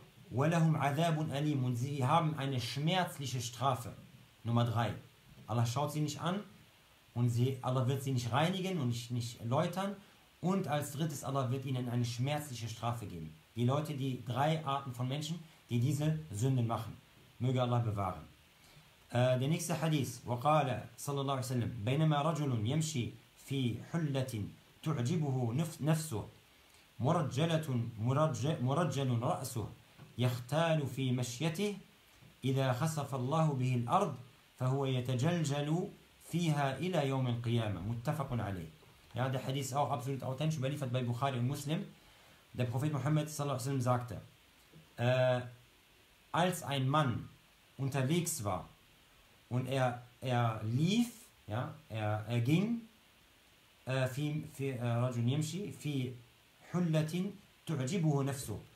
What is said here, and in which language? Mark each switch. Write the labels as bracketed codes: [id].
[ar] Wa lahum adhabun alim. [de] Und sie haben eine schmerzliche Strafe. Nummer 3, Allah schaut sie nicht an. Und Allah wird sie nicht reinigen und nicht läutern. Und als drittes, Allah wird ihnen eine schmerzliche Strafe geben. Die Leute, die drei Arten von Menschen, die diese Sünden machen. Möge Allah bewahren. Der nächste Hadith. [ar] وقال صلى الله عليه وسلم بينما رجل يمشي في حلة تعجبه نفسه مرجلة مرجل رأسه يختال في مشيته إذا خسف الله به الأرض فهو يتجلجل فيها إلى يوم القيامة متفق عليه. [de] Ja, der Hadith ist auch absolut authentisch überliefert bei Bukhari und Muslim. Der Prophet Muhammad sallallahu alaihi wasallam sagte, als ein Mann unterwegs war und er lief, ja, er ging, [ar] رجل يمشي في حلة تعجبه نفسه.